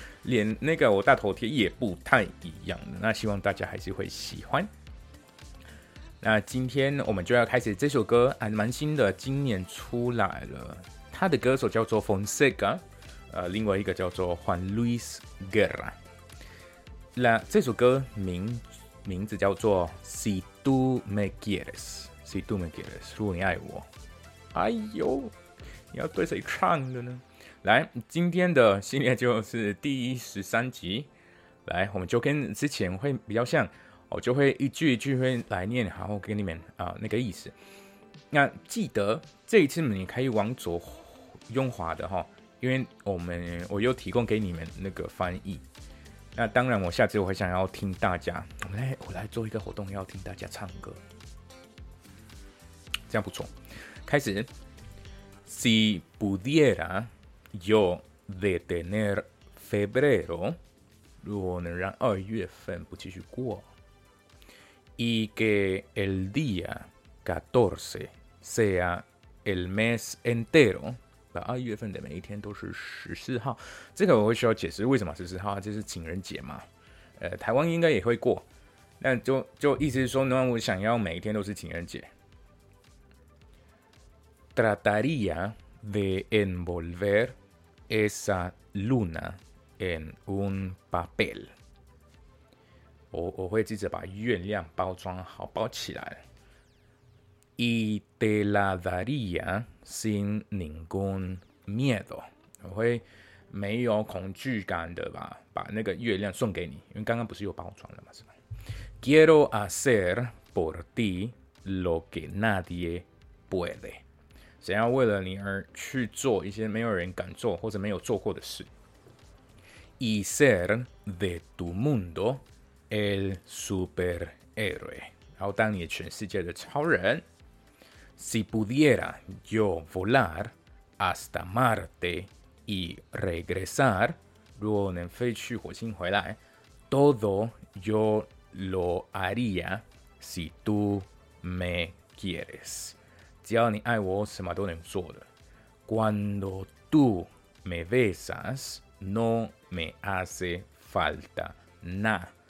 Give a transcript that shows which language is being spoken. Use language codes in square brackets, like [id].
[zh] 连那个我大头贴也不太一样，那希望大家还是会喜欢。那今天我们就要开始这首歌，还蛮新的，今年出来了。他的歌手叫做 Fonseca， 另外一个叫做 Juan Luis Guerra。那这首歌名字叫做 Si tú me quieres， Si tú me quieres， 如果你爱我。哎呦，你要对谁唱的呢？来，今天的系列就是第13集。来，我们就跟之前会比较像，我就会一句一句会来念，然后给你们那个意思。那记得这一次你可以往左用滑的哈，因为我又提供给你们那个翻译。那当然，我下次我会想要听大家，我来做一个活动，要听大家唱歌，这样不错。开始 [es] ，Si pudiera。 Yo detener febrero, [zh] 如果能让二月份不继续过 [es] y que el día 14 sea el mes entero, [zh] 把二月份的每一天都是14号，这个我会需要解释为什么14号，就是情人节嘛。台湾应该也会过，那就意思是说，那我想要每一天都是情人节。 [es] Trataría de envolver esa luna en un papel. [zh] 我会记着把月亮包装好，包起来。 [es] Y te la daría sin ningún miedo. [zh] 我会没有恐惧感的把那个月亮送给你，因为刚刚不是有包装了吗？是吧 [es] ？Quiero hacer por ti lo que nadie puede. [zh] 想要为了你而去做一些没有人敢做或者没有做过的事。 [es] Y ser de tu mundo el superhéroe， [zh] 然后当你全世界的超人。 [es] Si pudiera yo volar hasta Marte y regresar， [zh] 如果能飞去火星回来 [es] ，todo yo lo haría si tú me quieres。 [zh] 只要你爱我，什么都能做的。 [es] Cuando tú me besas, no me hace falta nada。